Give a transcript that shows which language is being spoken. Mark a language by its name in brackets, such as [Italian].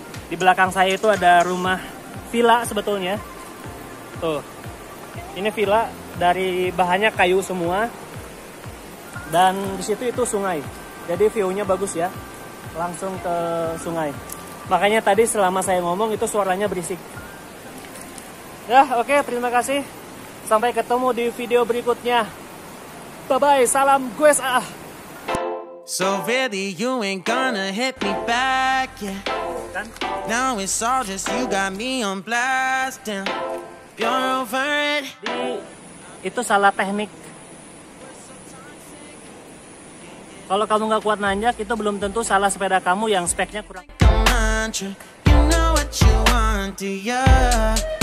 [Indonesian] Di belakang saya itu ada rumah villa sebetulnya. Tuh, ini villa dari bahannya kayu semua, dan di situ itu sungai. Jadi view-nya bagus ya, langsung ke sungai. Makanya tadi selama saya ngomong itu suaranya berisik. Ya, oke, okay, terima kasih. Sampai ketemu di video berikutnya. Bye bye, salam gue sa. [English] So really you ain't gonna hit me back, yeah. Now it's all just you got me on blast. You're over it. [Indonesian] Itu salah teknik. Kalau kamu enggak kuat nanjak, itu belum tentu salah sepeda kamu yang speknya kurang. [English] You know what you want, yeah.